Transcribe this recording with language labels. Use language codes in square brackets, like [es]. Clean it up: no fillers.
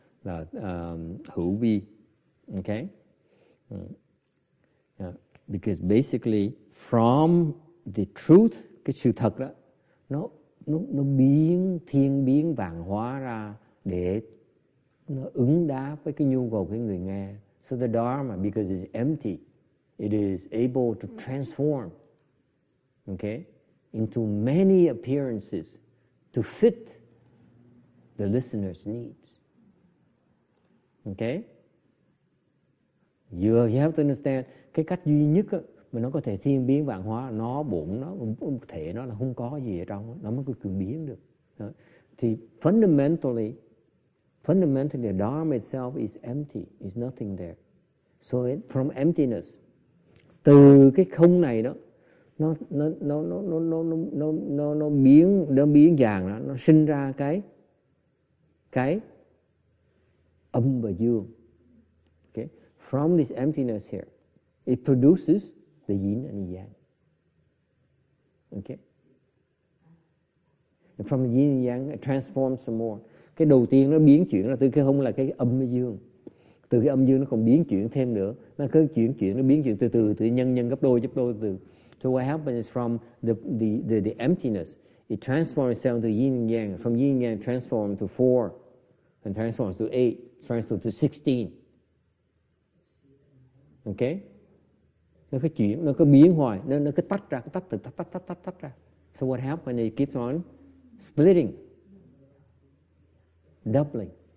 [vi] là hữu vi. Okay? [en] Yeah. Because basically from the truth, [vi] cái sự thật đó, nó biến thiên biến vạn hóa ra để nó ứng đáp với cái nhu cầu của người nghe. [en] So the Dharma, because it's empty, it is able to transform, okay, into many appearances to fit the listener's needs. Okay? You have to understand, [vi] cái cách duy nhất mà nó có thể thiên biến vạn hóa, nó bụng, nó thể nó là không có gì ở trong, nó mới có thể biến được. [en] Thì fundamentally, the Dharma itself is empty, is nothing there. So it, from emptiness, [vi] từ cái không này đó, nó biến dạng đó, nó sinh ra cái âm và dương. [en] Okay, from this emptiness here, it produces the yin and yang. Okay, and from the yin and yang, it transforms some more. [vi] Cái đầu tiên nó biến chuyển là từ cái không là cái âm và dương. Từ cái âm dương nó còn biến chuyển thêm nữa. Nó cứ chuyển, nó biến chuyển từ nhân gấp đôi từ. [en] So what happens is from the emptiness, it transforms itself to yin and yang. From yin and yang, it transforms to 4, and transforms to 8, transforms to 16. Okay? [vi] Nó cứ chuyển, nó cứ biến hoài, nó cứ tách ra, tách ra. [en] So what happens is it keeps on splitting, doubling.